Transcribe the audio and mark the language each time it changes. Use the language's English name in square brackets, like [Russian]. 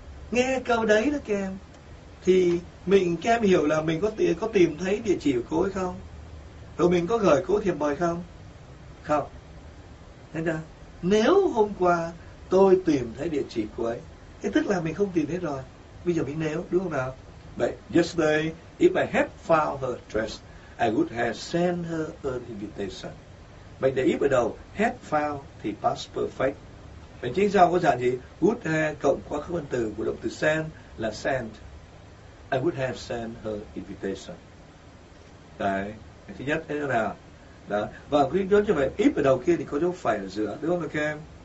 [Vietnamese] Nghe câu đấy đó các em. Thì mình, các em hiểu là mình có tìm thấy địa chỉ của cô ấy không? Rồi mình có gửi cô ấy thiệp mời không? Không. Thế nào? Nếu hôm qua tôi tìm thấy địa chỉ của ấy, thì tức là mình không tìm thấy rồi. Bây giờ mình nếu, đúng không nào? [English] But yesterday, if I had found her address, I would have sent her an invitation. [Vietnamese] Mình để if ở đầu, had found thì past perfect. Mình chính sau có dạng gì? Would have cộng quá khứ phân từ của động từ send là sent. [English] I would have sent her invitation. [Vietnamese] Đấy. Thứ nhất thế nào? Đó. Và cái dấu như vậy, if ở đầu kia thì có dấu phẩy ở giữa, đúng không các em?